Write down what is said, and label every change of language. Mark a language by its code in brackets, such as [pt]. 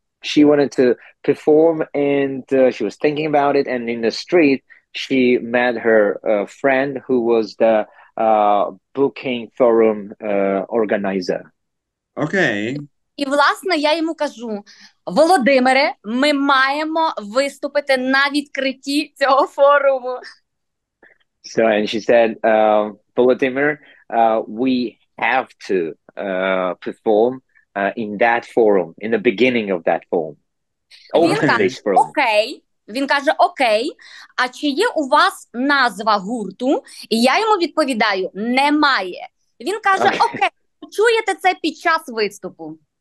[en] She wanted to perform and she was thinking about it, and in the street she met her friend who was the booking forum organizer. Okay. [uk] І, власне, я йому кажу, Володимире, ми маємо виступити на відкритті цього форуму. [en] So, and she said, Володимир, we have to perform in that forum, in the beginning of that forum. Okay. [uk] Він каже, окей, а чи є у вас назва гурту? І я йому відповідаю, немає. Він каже, окей, почуєте це під час виступу.